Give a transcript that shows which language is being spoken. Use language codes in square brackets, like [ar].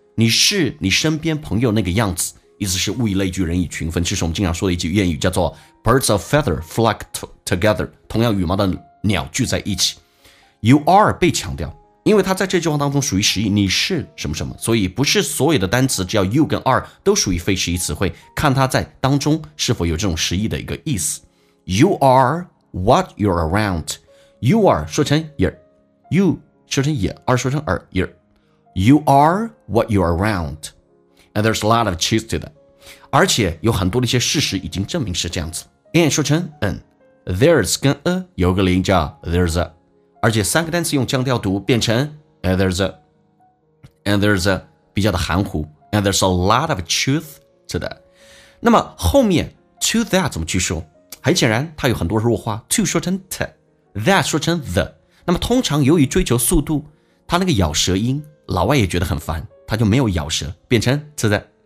[zh] 你是你身边朋友那个样子，意思是物以类聚，人以群分。这是我们经常说的一句谚语，叫做 [en] "Birds of feather flock together." [zh] 同样羽毛的鸟聚在一起。 [en] You are 被强调。 [zh] 因为它在这句话当中属于实义，你是什么什么，所以不是所有的单词只要 you 跟 are 都属于非实义词汇，看它在当中是否有这种实义的一个意思。 [en] You are what you're around. You are 说成 you, you 说成 you, are 说成 are. You are what you're around. And there's a lot of truth to that. [zh] 而且有很多的一些事实已经证明是这样子。 [en] And 说成 an, there's 跟 a 有个连叫 there's a, [zh] 而且三个单词用降调读变成 [en] and there's a 比较的含糊 and there's a lot of truth to that. [zh] 那么后面 to that 怎么去说，很显然它有很多弱化， to 说成 t, that 说成 the. 那么通常由于追求速度，它那个咬舌音老外也觉得很烦，它就没有咬舌，变成 to that.